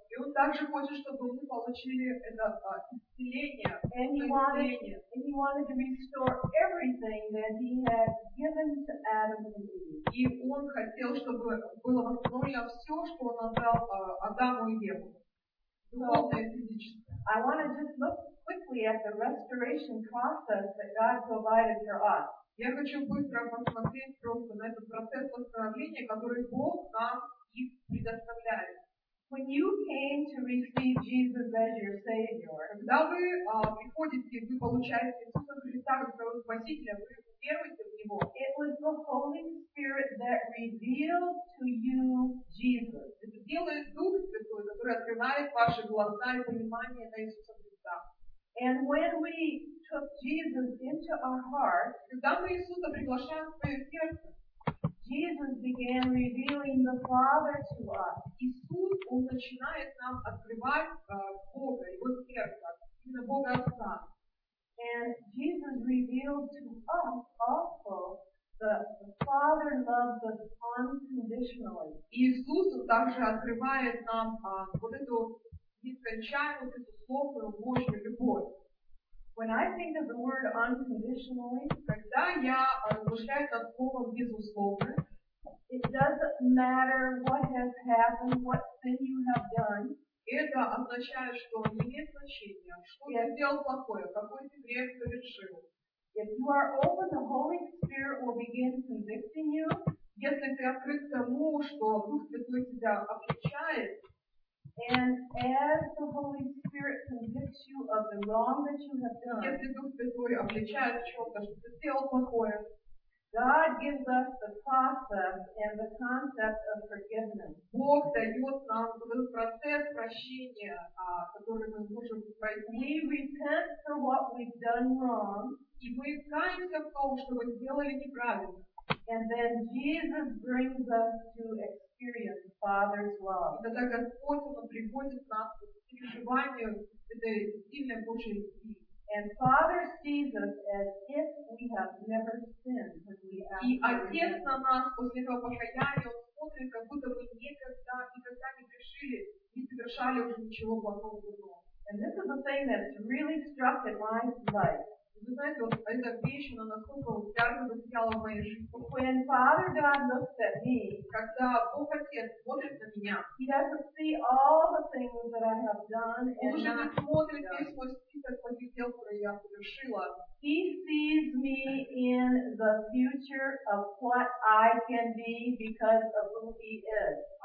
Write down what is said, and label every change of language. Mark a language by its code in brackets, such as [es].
[ru] И он также хочет, чтобы мы получили это исцеление. [en] And he wanted to restore everything that He had given to Adam and Eve. [ru] И он хотел, чтобы было восстановлено все, что он отдал Адаму и Еве. [en] So, I want to just look quickly at the restoration process that God provided for us. [ru] Я хочу быстро посмотреть просто на этот процесс восстановления, который Бог нам и предоставляет. [en] When you came to receive Jesus as your Savior, [ru] когда вы приходите, вы получаете Иисуса Христа как своего Спасителя, вы веруете в Него. [en] It was the Holy Spirit that revealed to you Jesus. [ru] Это делает Дух Святой, который открывает ваши глаза и понимание на Иисуса Христа. [en] And when we took Jesus into our heart, [ru] когда мы Иисуса приглашаем в свое сердце, [en] Jesus began revealing the Father to us. [ru] Иисус, Он начинает нам открывать Бога, Его сердце, именно Бога Отца. [en] And Jesus revealed to us also that the Father loves us unconditionally. [ru] Иисус также открывает нам вот эту нескончаемую, безусловную Божью любовь. [en] When I think of the word unconditionally, [ru] когда я размышляю над словом безусловно, [en] it doesn't matter what has happened, what sin you have done. [ru] Это означает, что не имеет значения, что я сделал плохое, какой ты грех совершил. [en] If you are open, the Holy Spirit will begin convicting you. [ru] Если ты открыт тому, что Дух Святой тебя обличает. [en] And as the Holy Spirit convicts you of the wrong that you have done, [ru] если Дух Святой обличает чего-то, что ты сделал плохое, [en] God gives us the process and the concept of forgiveness. [ru] Бог дает нам процесс прощения, который мы можем пройти. [en] We repent for what we've done wrong. [ru] И мы каемся в том, что мы сделали неправильно. [en] And then Jesus brings us to experience Father's love. [ru] И тогда Господь, Он приводит нас к переживанию этой сильной Божьей любви. [en] And Father sees us as if we have never sinned, as we ask. [ru] И Отец на нас после этого покаяния Он смотрит, как будто мы никогда не грешили, не совершали уже ничего плохого. [en] And this is the thing that's really struck in my life. [ru] Вы знаете, вот эта вещь, она насколько ярко засияла в моей жизни. [en] When Father God looks at me, [ru] когда Бог Отец смотрит на меня, [en] He doesn't see all the things that I have done and [ru] Он уже не смотрит весь мой список плохих дел, которые я совершила. [en] He sees me in the future of what I can be because of who He is.